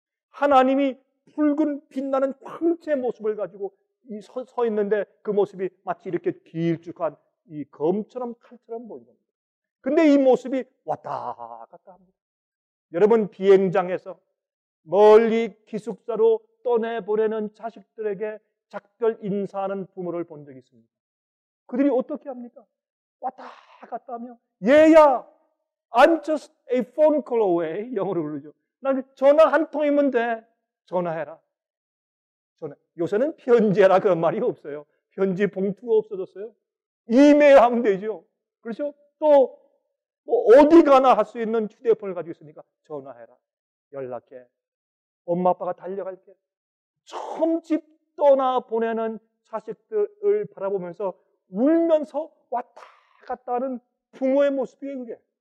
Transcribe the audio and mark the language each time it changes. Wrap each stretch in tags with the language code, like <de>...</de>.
<ko>하나님이 붉은 빛나는 광채 모습을 가지고 서 있는데 그 모습이 마치 이렇게 길쭉한 이 검처럼 칼처럼 보입니다. 근데 이 모습이 왔다 갔다 합니다. 여러분 비행장에서 멀리 기숙사로 떠내보내는 자식들에게 작별 인사하는 부모를 본 적이 있습니다. 그들이 어떻게 합니까? 왔다 갔다 하며 얘야,</ko> <en>I'm just a phone call away.</en> <ko>영어로 부르죠. 난 전화 한 통이면 돼. 전화해라. 전화. 요새는 편지해라 그런 말이 없어요. 편지 봉투가 없어졌어요. 이메일 하면 되죠. 그렇죠? 또 뭐 어디 가나 할 수 있는 휴대폰을 가지고 있으니까 전화해라. 연락해. 엄마 아빠가 달려갈게. 처음 집 떠나보내는 자식들을 바라보면서 울면서 왔다 갔다 하는 부모의 모습이에요.</ko>